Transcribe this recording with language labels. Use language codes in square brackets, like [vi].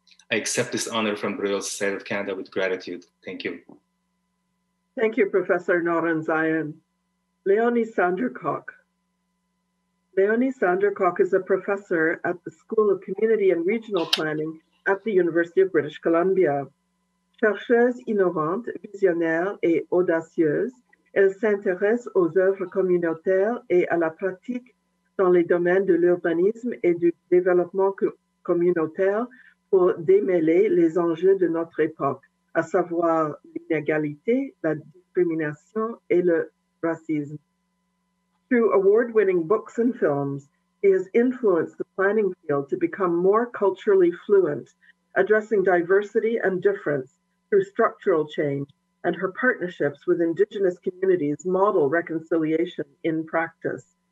[en] I accept this honor from the Royal Society of Canada with gratitude. Thank you. Thank you, Professor Norenzayan. Leonie Sandercock. Leonie Sandercock is a professor at the School of Community and Regional Planning at the University of British Columbia. [fr] Chercheuse innovante, visionnaire et audacieuse, elle s'intéresse aux œuvres communautaires et à la pratique dans les domaines de l'urbanisme et du développement communautaire pour démêler les enjeux de notre époque, à savoir l'inégalité, la discrimination et le racisme. [en] Through award-winning books and films, he has influenced the planning field to become more culturally fluent, addressing diversity and difference through structural change, and her partnerships with Indigenous communities model reconciliation in practice.